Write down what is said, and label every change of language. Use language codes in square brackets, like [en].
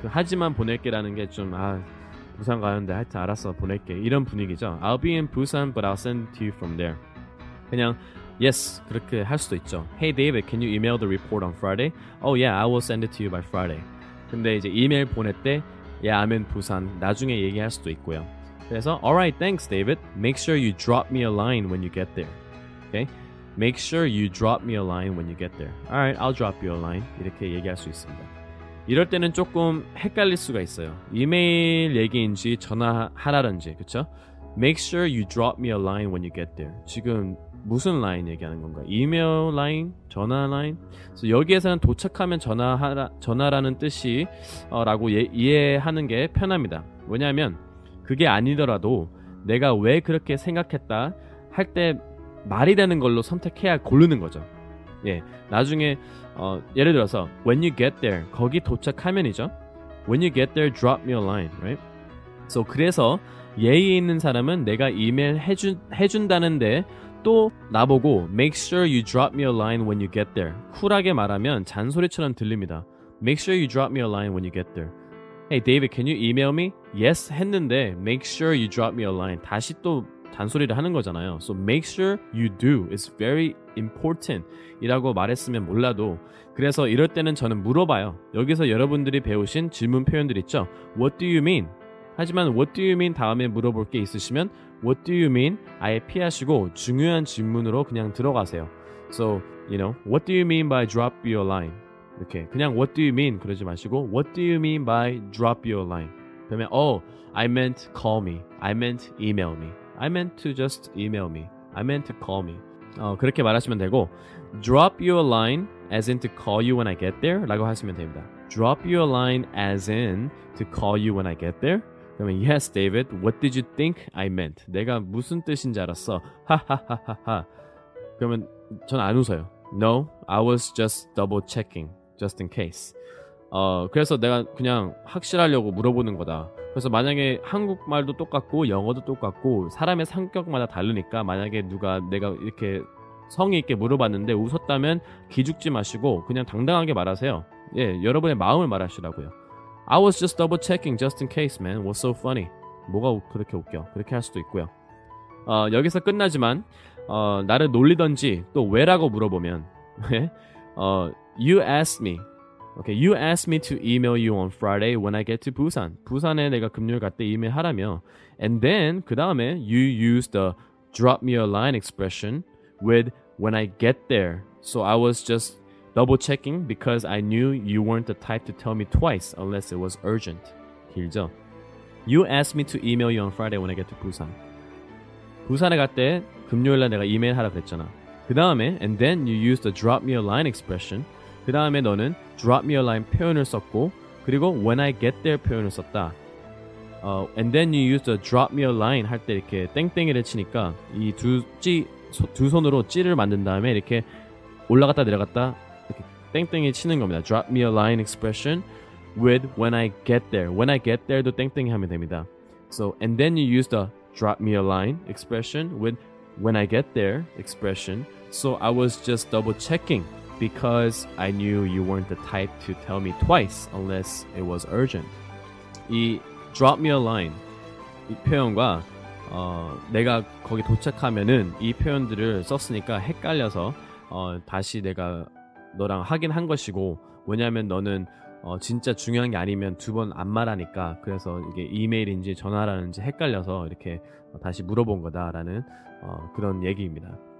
[ko] 보낼게라는 게 좀 부산 가는데 하여튼 알았어 보낼게 이런 분위기죠. [en] I'll be in Busan but I'll send to you from there. [ko] 그냥 yes 그렇게 할 수도 있죠. [en] Hey David, can you email the report on Friday? Oh yeah, I will send it to you by Friday. [ko] 근데 이제 이메일 보낼 때 yeah, I'm in Busan. 나중에 얘기할 수도 있고요. [en] 그래서 alright, thanks David. Make sure you drop me a line when you get there. Okay? Make sure you drop me a line when you get there. Alright, I'll drop you a line. [ko] 이렇게 얘기할 수 있습니다. 이럴 때는 조금 헷갈릴 수가 있어요. 이메일 얘기인지 전화하라든지, 그쵸? [en] Make sure you drop me a line when you get there. [ko] 지금 무슨 라인 얘기하는 건가? 이메일 라인? 전화 라인? 그래서 여기에서는 도착하면 전화라는 뜻이 라고 이해하는 게 편합니다. 왜냐하면 그게 아니더라도 내가 왜 그렇게 생각했다 할 때 말이 되는 걸로 선택해야 고르는 거죠. 예, 나중에 예를 들어서 when you get there 거기 도착하면이죠. [en] When you get there, drop me a line, right? [ko] So 그래서 예의 있는 사람은 내가 이메일 해준다는데 또 나보고 [en] make sure you drop me a line when you get there. [ko] 쿨하게 말하면 잔소리처럼 들립니다. [en] Make sure you drop me a line when you get there. Hey David, can you email me? [ko] Yes 했는데 [en] make sure you drop me a line. [ko] 다시 또 잔소리를 하는 거잖아요. [en] So make sure you do. It's very important. [ko] 이라고 말했으면 몰라도 그래서 이럴 때는 저는 물어봐요. 여기서 여러분들이 배우신 질문 표현들 있죠. [en] What do you mean? 하지만 what do you mean 다음에 물어볼 게 있으시면 what do you mean? [ko] 아예 피하시고 중요한 질문으로 그냥 들어가세요. So, you know, [en] what do you mean by drop your line? [ko] 이렇게 그냥 what do you mean? 그러지 마시고 what do you mean by drop your line? [en] 그러면 oh, I meant call me. I meant email me. I meant to just email me. I meant to call me. 그렇게 말하시면 되고 drop you a line as in to call you when I get there [ko] 라고 하시면 됩니다. [en] Drop you a line as in to call you when I get there. 그러면 [ko] yes David, what did you think I meant? 내가 무슨 뜻인지 알았어. 하하하하하. 그러면 전 안 웃어요. [en] No, I was just double checking just in case. [ko] 그래서 내가 그냥 확실하려고 물어보는 거다. 그래서 만약에 한국말도 똑같고 영어도 똑같고 사람의 성격마다 다르니까 만약에 누가 내가 이렇게 성의 있게 물어봤는데 웃었다면 기죽지 마시고 그냥 당당하게 말하세요. 예, 여러분의 마음을 말하시라고요. [en] I was just double checking just in case, man. What's so funny? [ko] 뭐가 그렇게 웃겨? 그렇게 할 수도 있고요. 여기서 끝나지만 나를 놀리던지 또 왜라고 물어보면 [en] you asked me. Okay, you asked me to email you on Friday when I get to Busan. [ko] 부산에 내가 금요일 갈 때 이메일 하라며. [en] And then, [ko] 그 다음에, [en] you used the drop me a line expression with when I get there. So I was just double checking because I knew you weren't the type to tell me twice unless it was urgent. [ko] 길죠? [en] You asked me to email you on Friday when I get to Busan. [ko] 부산에 갈 때 금요일 날 내가 이메일 하라 그랬잖아. 그 다음에, [en] and then you used the drop me a line expression. [ko] 그 다음에 너는 drop me a line 표현을 썼고 그리고 when I get there 표현을 썼다. [en] And then you use the drop me a line [ko] 할 때 이렇게 땡땡이를 치니까 이 두 손으로 찌를 만든 다음에 이렇게 올라갔다 내려갔다 이렇게 땡땡이 치는 겁니다. [en] Drop me a line expression with when I get there. When I get there [ko] 도 땡땡이 하면 됩니다. [en] So and then you use the drop me a line expression with when I get there expression. So I was just double checking. Because I knew you weren't the type to tell me twice unless it was urgent. [ko] 이 drop me a line 이 표현과 내가 거기 도착하면은 이 표현들을 썼으니까 헷갈려서 다시 내가 너랑 확인한 것이고, 왜냐면 너는 진짜 중요한 게 아니면 두 번 안 말하니까, 그래서 이게 이메일인지 전화라는지 헷갈려서 이렇게 다시 물어본 거다라는 그런 얘기입니다.